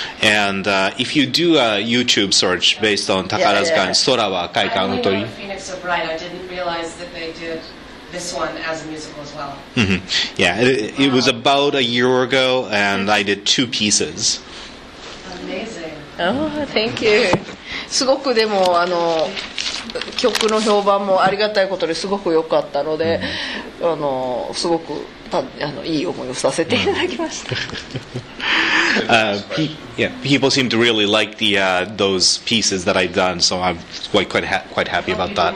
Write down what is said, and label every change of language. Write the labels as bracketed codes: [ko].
[en] And if you do a YouTube search based on Takarazuka and Sora wa Akai Kawa no Hotori. Phoenix of Bright, I didn't realize that they did this one as a musical as well. Mm-hmm. Yeah, it was about a year ago, and I did two pieces. Amazing. Oh, thank you. [ja] すごくでも曲の評判もありがたいことですごく良かったので、うん、すごくいい思いをさせていただきました。 [en] People seem to really like the those pieces that I've done, so I'm quite happy about that.